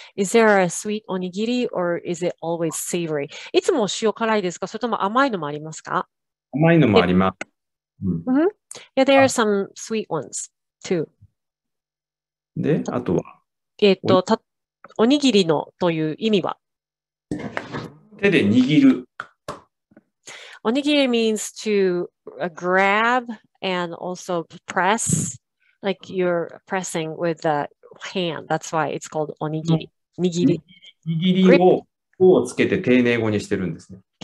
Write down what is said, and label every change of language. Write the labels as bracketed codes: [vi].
[en] Is there a sweet onigiri or is it always savory? [ja] いつも塩辛いですか？それとも甘いのもありますか？甘いのもあります。 [en] Yeah, there are some sweet ones too. [ja] で、あとは？おにぎりのという意味は？手で握る。 [en] Onigiri means to grab and also press, like you're pressing with theHand. That's why it's called onigiri. Nigiri. [ja] Nigiri を、をつけて丁寧語にしてるんですね。